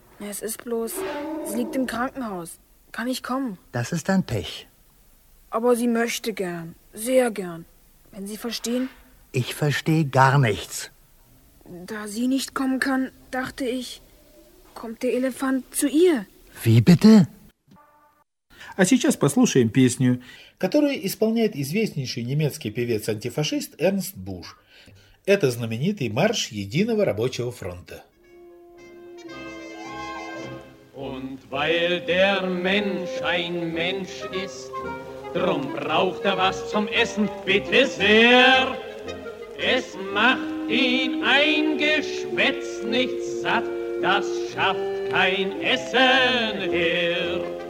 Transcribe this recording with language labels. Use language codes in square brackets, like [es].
[de] Es ist bloß, sie liegt im Krankenhaus. Kann ich kommen? Das ist ein Pech. Aber sie möchte gern, sehr gern. Wenn Sie verstehen? Ich verstehe gar nichts. Da sie nicht kommen kann, dachte ich... Kommt der Elefant zu ihr? Wie bitte? [ru] А сейчас послушаем песню, которую исполняет известнейший немецкий певец-антифашист Эрнст Буш. Это знаменитый марш Единого рабочего фронта. [de] Und weil der Mensch ein Mensch ist, drum braucht was zum Essen, bitte sehr. Es macht ihn ein Geschwätz nicht satt, das schafft kein Essen her.